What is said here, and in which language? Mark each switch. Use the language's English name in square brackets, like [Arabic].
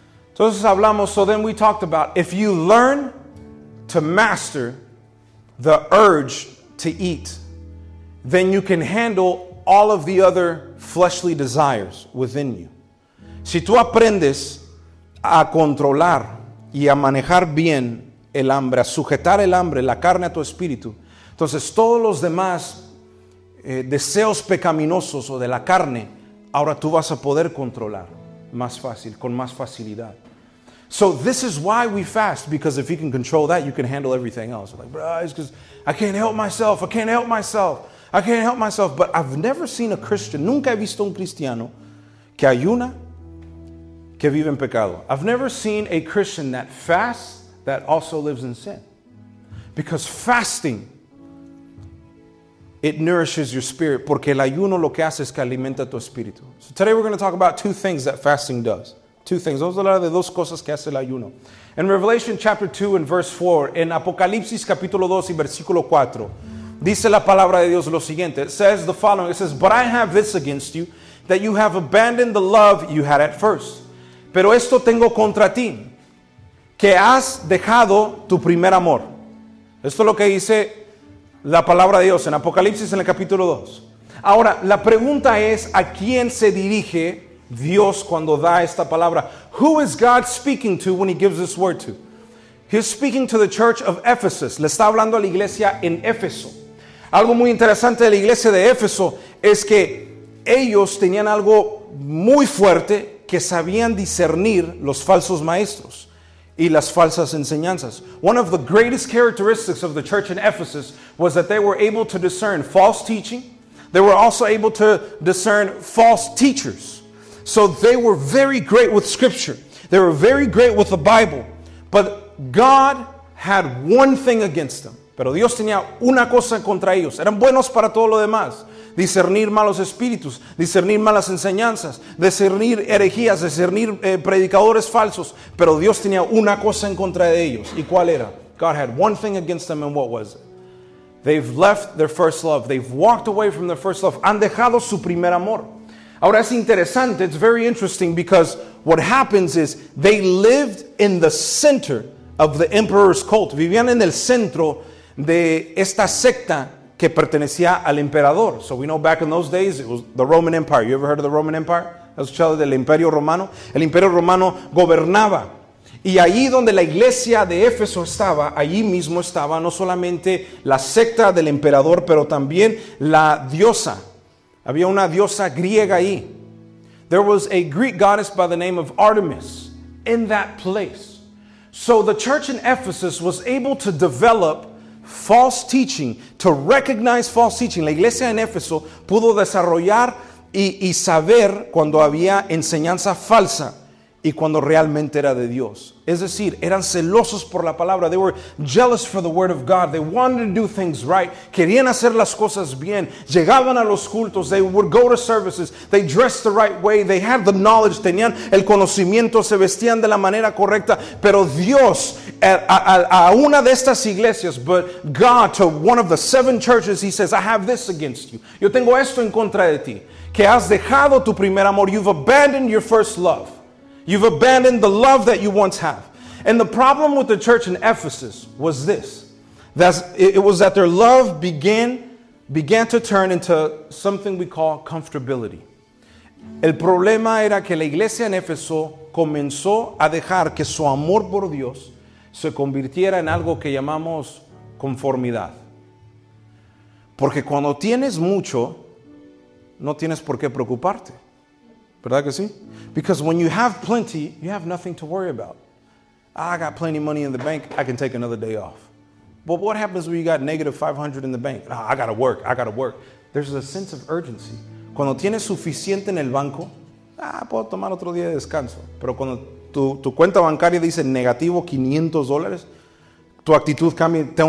[Spanish] Entonces hablamos, [English] so then we talked about, if you learn to master the urge to eat, then you can handle all of the other fleshly desires within you. [Spanish] Si tú aprendes a controlar y a manejar bien el hambre, a sujetar el hambre, la carne a tu espíritu, entonces todos los demás deseos pecaminosos o de la carne, ahora tú vas a poder controlar más fácil, con más facilidad. [English] So this is why we fast, because if you can control that, you can handle everything else. Like, bro, it's because I can't help myself, I can't help myself, I can't help myself. But I've never seen a Christian, [Spanish] nunca he visto un cristiano que ayuna, que vive en pecado. [English] I've never seen a Christian that fasts that also lives in sin. Because fasting, it nourishes your spirit. [Spanish] Porque el ayuno lo que hace es que alimenta tu espíritu. [English] So today we're going to talk about two things that fasting does. Two things. [Spanish] Vamos a hablar de dos cosas que hace el ayuno. [English] In Revelation chapter 2 and verse 4, [Spanish] in Apocalipsis capítulo 2 y versículo 4, dice la palabra de Dios lo siguiente. [English] It says the following. It says, but I have this against you, that you have abandoned the love you had at first. [Spanish] Pero esto tengo contra ti, que has dejado tu primer amor. Esto es lo que dice la palabra de Dios en Apocalipsis en el capítulo 2. Ahora, la pregunta es, ¿a quién se dirige Dios cuando da esta palabra? [English] Who is God speaking to when he gives this word to? He's speaking to the church of Ephesus. [Spanish] Le está hablando a la iglesia en Éfeso. Algo muy interesante de la iglesia de Éfeso es que ellos tenían algo muy fuerte, que sabían discernir los falsos maestros y las falsas enseñanzas. [English] One of the greatest characteristics of the church in Ephesus was that they were able to discern false teaching. They were also able to discern false teachers. So they were very great with scripture. They were very great with the Bible. But God had one thing against them. [Spanish] Pero Dios tenía una cosa contra ellos. Eran buenos para todo lo demás. Discernir malos espíritus, discernir malas enseñanzas, discernir herejías, discernir predicadores falsos. Pero Dios tenía una cosa en contra de ellos. ¿Y cuál era? [English] God had one thing against them, and what was it? They've left their first love. They've walked away from their first love. [Spanish] Han dejado su primer amor. Ahora es interesante, [English] it's very interesting, because what happens is they lived in the center of the emperor's cult. [Spanish] Vivían en el centro de esta secta que pertenecía al emperador. [English] So we know back in those days it was the Roman Empire. You ever heard of the Roman Empire? [Spanish] ¿Has escuchado del Imperio Romano? El Imperio Romano gobernaba. Y allí donde la iglesia de Éfeso estaba, allí mismo estaba no solamente la secta del emperador, pero también la diosa. Había una diosa griega ahí. [English] There was a Greek goddess by the name of Artemis in that place. So the church in Ephesus was able to develop false teaching, to recognize false teaching. [Spanish] La iglesia en Éfeso pudo desarrollar y saber cuando había enseñanza falsa y cuando realmente era de Dios. Es decir, eran celosos por la palabra. [English] They were jealous for the word of God. They wanted to do things right. [Spanish] Querían hacer las cosas bien. Llegaban a los cultos. [English] They would go to services. They dressed the right way. They had the knowledge. [Spanish] Tenían el conocimiento. Se vestían de la manera correcta. Pero Dios, a una de estas iglesias, [English] but God, to one of the seven churches, he says, I have this against you. [Spanish] Yo tengo esto en contra de ti. Que has dejado tu primer amor. [English] You've abandoned your first love. You've abandoned the love that you once have. And the problem with the church in Ephesus was this. It was that their love began to turn into something we call comfortability. [Spanish] El problema era que la iglesia en Éfeso comenzó a dejar que su amor por Dios se convirtiera en algo que llamamos conformidad. Porque cuando tienes mucho, no tienes por qué preocuparte. ¿Verdad que sí? [English] Because when you have plenty, you have nothing to worry about. I got plenty of money in the bank. I can take another day off. But what happens when you got negative 500 in the bank? I got to work. There's a sense of urgency. [Spanish] Cuando tienes suficiente en el banco, puedo tomar otro día de descanso. Pero cuando tu cuenta bancaria dice negativo $500, tu actitud cambia.